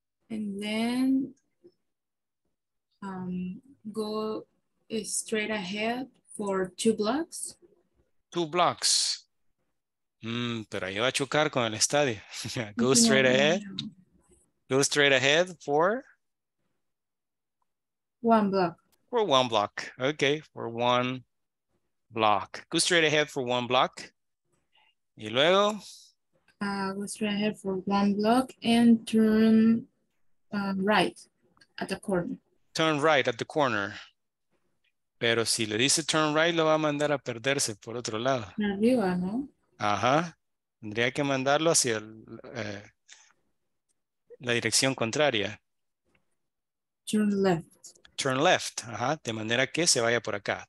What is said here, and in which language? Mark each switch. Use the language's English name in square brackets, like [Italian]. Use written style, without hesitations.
[English] And then go straight ahead for two blocks. Two blocks. [Spanish] Pero ahí va a chocar con el estadio. [English] Go straight ahead. Go straight ahead for? One block. For one block, okay, for one block. Go straight ahead for one block. [Spanish] Y luego? [English] Go straight ahead for one block and turn right at the corner. Turn right at the corner. [Spanish] Pero si le dice [English] turn right, [Spanish] lo va a mandar a perderse por otro lado. Arriba, ¿no? Ajá. Tendría que mandarlo hacia el, la dirección contraria. [English] Turn left. Turn left, [Spanish] ajá, de manera que se vaya por acá.